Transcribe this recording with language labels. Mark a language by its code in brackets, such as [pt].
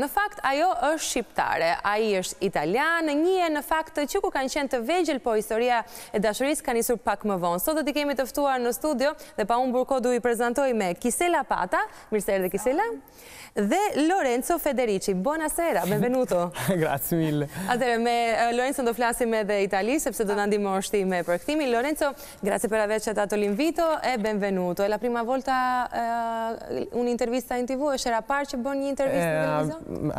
[sq] Në fakt, ajo është shqiptare, ai është italian, njihet në fakt që ku kanë qenë të vegjël, po historia e dashurisë ka nisur pak më vonë. Sot do t'i kemi të ftuar në studio dhe pa humbur kohë do i prezantoj me Kisela Pata, mirëserdhe Kisela, dhe Lorenzo Federici. [it] Buonasera, benvenuto. Grazie mille. [sq] Atëherë me Lorenzo do flasim edhe itali sepse do na ndihmosh ti me përkthimin. [it] Lorenzo, grazie per averci dato l'invito e benvenuto. La prima volta un'intervista in TV, [sq] është era parë që bën një intervistë në televizion?